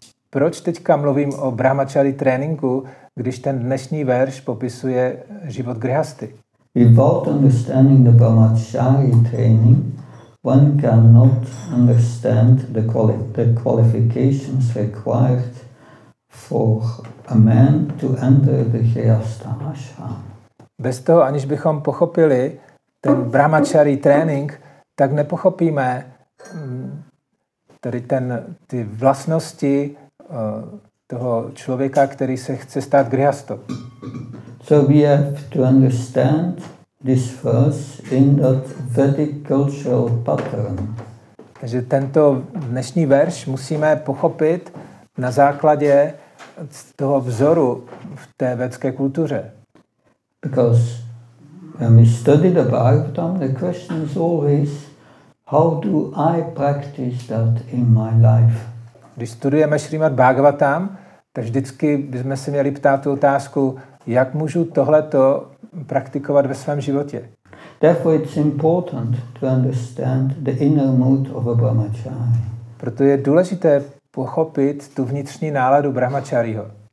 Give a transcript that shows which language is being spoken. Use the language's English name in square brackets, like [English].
[Czech] Proč teďka mluvím o brahmachari tréninku, když ten dnešní verš popisuje život grihasty? [English] Without understanding the brahmachari training, one cannot understand the qualifications required for a man to enter the gṛhastha ashram. [Czech] Bez toho, aniž bychom pochopili ten brahmachari trénink, tak nepochopíme tady ty vlastnosti toho člověka, který se chce stát grihasto. [English] So we have to understand this verse in that Vedic cultural pattern. [Czech] Takže tento dnešní verš musíme pochopit na základě toho vzoru v té vedské kultuře. [English] Because when we study the Bhagavatam, the question is always, how do I practice that in my life? [Czech] Když studujeme Srimad Bhagavatam, tak vždycky bychom se měli ptát tu otázku, jak můžu tohleto praktikovat ve svém životě. [English] Therefore it's important to understand the inner mood of a brahmachari. [Czech] Proto je důležité pochopit tu vnitřní náladu brahmachariho.